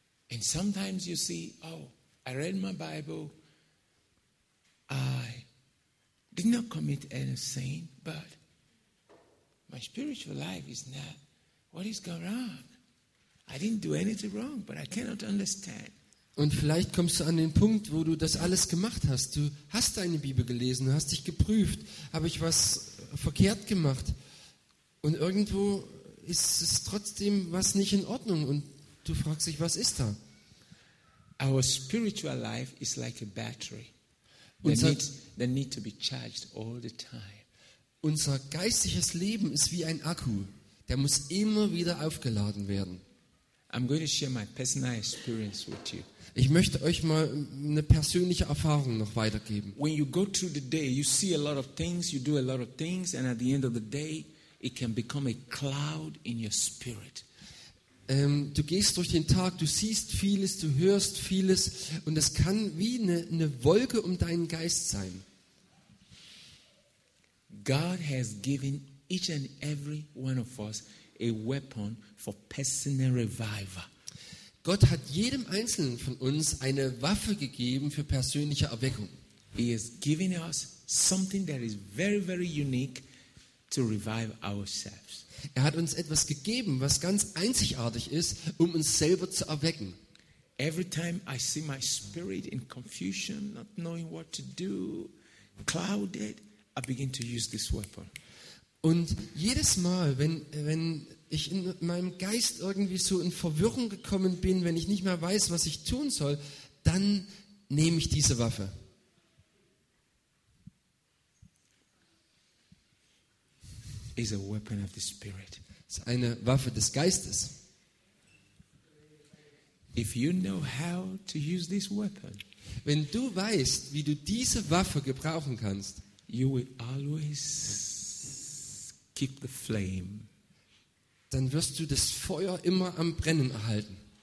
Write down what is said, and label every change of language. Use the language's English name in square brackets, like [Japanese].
[English] and sometimes you see, oh, I read my Bible, I did not commit any sin, but my spiritual life is not, what is going on? I didn't do anything wrong, but I cannot understand. [German] Und vielleicht kommst du an den Punkt, wo du das alles gemacht hast. Du hast deine Bibel gelesen, du hast dich geprüft. Habe ich was verkehrt gemacht? Und irgendwo ist es trotzdem was nicht in Ordnung. Und du fragst dich, was ist da? [English] Our spiritual life is like a battery. That need to be charged all the time. [German] Unser geistiges Leben ist wie ein Akku. Der muss immer wieder aufgeladen werden. [English] I'm going to share my personal experience with you. [German] Ich möchte euch mal eine persönliche Erfahrung noch weitergeben. [English] When you go through the day, you see a lot of things, you do a lot of things, and at the end of the day, it can become a cloud in your spirit. [German] Du gehst durch den Tag, du siehst vieles, du hörst vieles, und es kann wie eine Wolke um deinen Geist sein. [English] God has given each and every one of us a weapon for personal revival. [German] Gott hat jedem einzelnen von uns eine Waffe gegeben für persönliche Erweckung. [English] He has given us something that is very, very unique to revive ourselves. [German] Er hat uns etwas gegeben, was ganz einzigartig ist, um uns selber zu erwecken. [English] Every time I see my spirit in confusion, not knowing what to do, clouded, I begin to use this weapon. [German] Und jedes Mal, wenn ich in meinem Geist irgendwie so in Verwirrung gekommen bin, wenn ich nicht mehr weiß, was ich tun soll, dann nehme ich diese Waffe. [English] It's a weapon of the spirit. [German] Es ist eine Waffe des Geistes. [English] If you know how to use this weapon, [German] wenn du weißt, wie du diese Waffe gebrauchen kannst, [English] you will always keep the flame. [German] Dann wirst du das Feuer immer am Brennen erhalten.